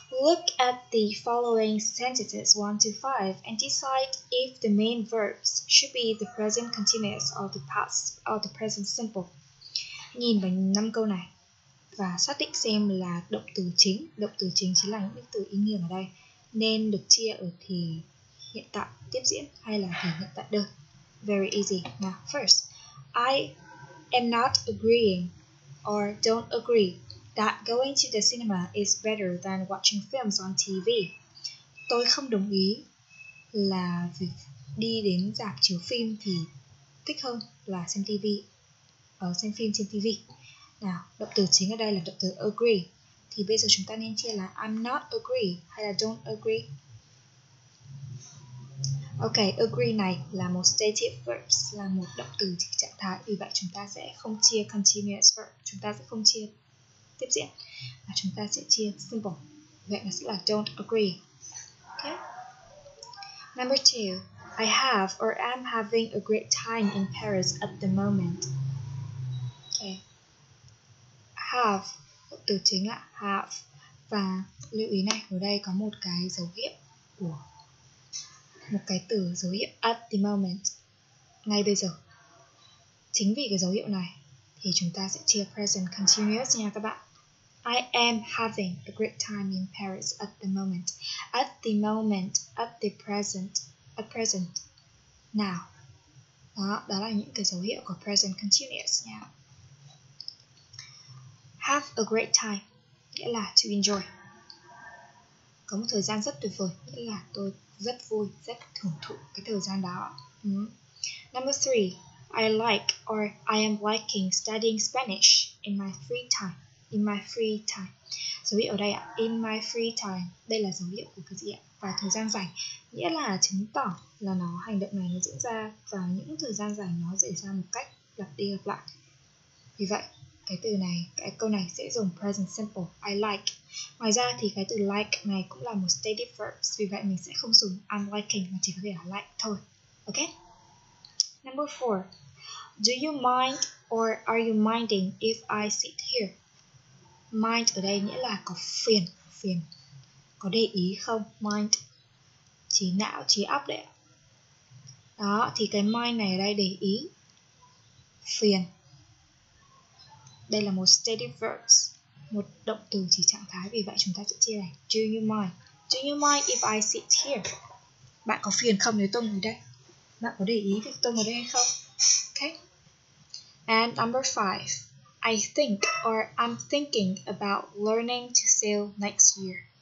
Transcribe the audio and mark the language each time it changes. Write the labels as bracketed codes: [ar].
[en] Look at the following sentences 1 to 5 and decide if the main verbs should be the present continuous or the past or the present simple. [vi] Nhìn vào 5 câu này và xác định xem là động từ chính chính là những từ ý nghĩa ở đây nên được chia ở thì hiện tại tiếp diễn hay là thì hiện tại đơn. [en] Very easy. Now, first, I am not agreeing or don't agree that going to the cinema is better than watching films on TV. [vi] Tôi không đồng ý là việc đi đến rạp chiếu phim thì thích hơn là xem TV, xem phim trên TV. Nào, động từ chính ở đây là động từ agree. Thì bây giờ chúng ta nên chia là [en] I'm not agree [vi] hay là [en] don't agree. [vi] Ok, agree này là một stative verbs, là một động từ trạng thái. Vì vậy chúng ta sẽ không chia continuous verb, chúng ta sẽ không chia tiếp diễn, và chúng ta sẽ chia simple. Vậy nó sẽ là [en] don't agree. Okay. Number 2, I have or am having a great time in Paris at the moment. Okay. [vi] Have, động từ chính là have. Và lưu ý này, ở đây có một cái dấu hiệu của một cái từ dấu hiệu at the moment, ngay bây giờ. Chính vì cái dấu hiệu này thì chúng ta sẽ chia present continuous nha các bạn. [en] I am having a great time in Paris at the moment. At the moment, at the present, at present, now. [vi] Đó là những cái dấu hiệu của present continuous nha. Have a great time nghĩa là to enjoy. Có một thời gian rất tuyệt vời, nghĩa là tôi rất vui, rất thưởng thụ cái thời gian đó. [en] Number 3, I like or I am liking studying Spanish in my free time. In my free time. [vi] Dấu hiệu ở đây ạ, in my free time. Đây là dấu hiệu của cái gì ạ? Và thời gian rảnh, nghĩa là chứng tỏ là nó hành động này nó diễn ra vào những thời gian rảnh nó diễn ra một cách lặp đi lặp lại. Vì vậy, cái từ này, cái câu này sẽ dùng present simple, [en] I like. [vi] Ngoài ra thì cái từ like này cũng là một stative verb, vì vậy mình sẽ không dùng [en] I'm liking, [vi] mà chỉ có thể là like thôi. Ok? [en] Number 4, do you mind or are you minding if I sit here? [vi] Mind ở đây nghĩa là có phiền, phiền. Có để ý không? Mind, trí não, trí óc đấy. Đó, thì cái mind này ở đây để ý, phiền. Đây là một stative verb, một động từ chỉ trạng thái, vì vậy chúng ta sẽ chia này. [en] Do you mind? Do you mind if I sit here? [vi] Bạn có phiền không nếu tôi ngồi đây? Bạn có để ý việc tôi ngồi đây hay không? Okay. [en] And number 5, I think or I'm thinking about learning to sail next year.